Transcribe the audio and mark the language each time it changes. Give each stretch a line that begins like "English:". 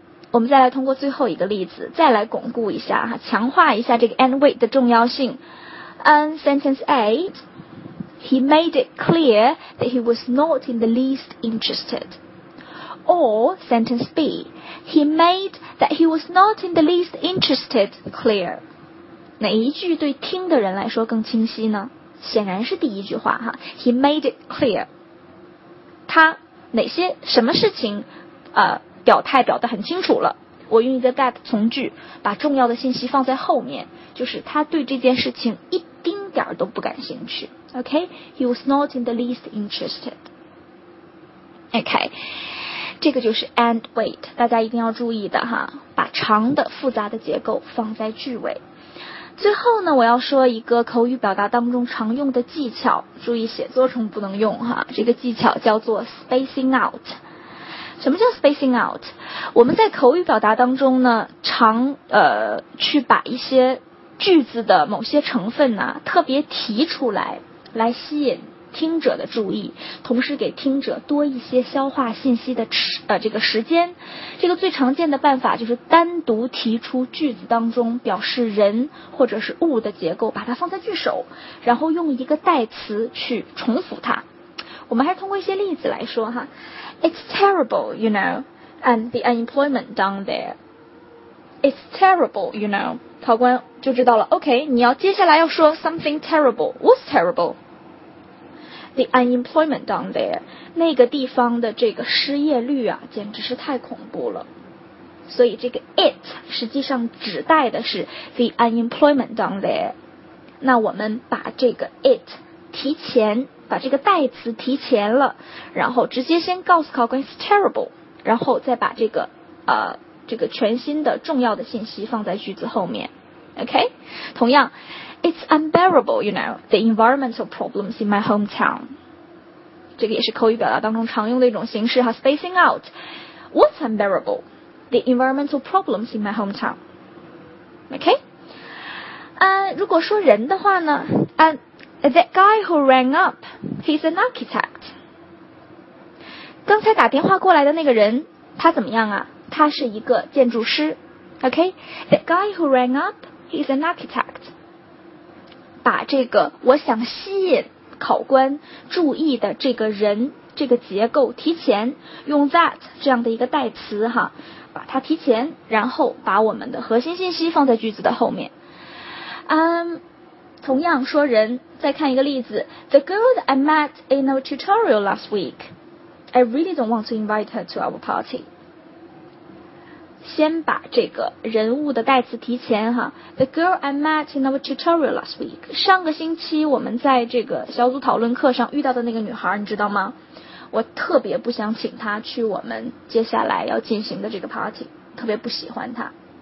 Chinese: 我们再来通过最后一个例子再来巩固一下哈，强化一下这个 and wait 的重要性。
English: Sentence A， He made it clear that he was not in the least interested。 Or sentence B, he made that he was not in the least interested clear.
Chinese: 哪一句对听的人来说更清晰呢？显然是第一句话哈。
English: He made it clear.
Chinese: 他哪些什么事情表态表得很清楚了。我用一个 that 从句把重要的信息放在后面，就是他对这件事情一丁点都不感兴趣。
English: OK, he was not in the least interested.
Chinese: OK. 这个就是 and wait， 大家一定要注意的哈，把长的复杂的结构放在句尾。最后呢，我要说一个口语表达当中常用的技巧，注意写作中不能用哈，这个技巧叫做 spacing out。什么叫 spacing out？我们在口语表达当中呢，常去把一些句子的某些成分呢、特别提出来，来吸引听者的注意，同时给听者多一些消化信息的这个时间。这个最常见的办法就是单独提出句子当中表示人或者是物的结构，把它放在句首，然后用一个代词去重复它。我们还是通过一些例子来说哈。
English: It's terrible, you know, and the unemployment down there. It's terrible, you know.
Chinese: 考官就知道了， OK， 你要接下来要说
English: something terrible. What's terrible? The unemployment down there，
Chinese: 那个地方的这个失业率啊，简直是太恐怖了。所以这个 it 实际上指代的是
English: the unemployment down there。
Chinese: 那我们把这个 it 提前，把这个代词提前了，然后直接先告诉考官
English: it's terrible，
Chinese: 然后再把这个全新的重要的信息放在句子后面。 OK， 同样。
English: It's unbearable, you know, the environmental problems in my hometown.
Chinese: 这个也是口语表达当中常用的一种形式哈， spacing out.
English: What's unbearable? The environmental problems in my hometown. OK?
Chinese: 如果说人的话呢，
English: that guy who rang up, he's an architect.
Chinese: 刚才打电话过来的那个人，他怎么样啊？他是一个建筑师。OK?
English: That guy who rang up, he's an architect.
Chinese: 把这个我想吸引考官注意的这个人这个结构提前用 that 这样的一个代词哈，把它提前，然后把我们的核心信息放在句子的后面。同样说人，再看一个例子。
English: The girl that I met in a tutorial last week, I really don't want to invite her to our party.
Chinese: 先把这个人物的代词提前哈。
English: The girl I met in our tutorial last week，
Chinese: 上个星期我们在这个小组讨论课上遇到的那个女孩，你知道吗？我特别不想请她去我们接下来要进行的这个 party， 特别不喜欢她。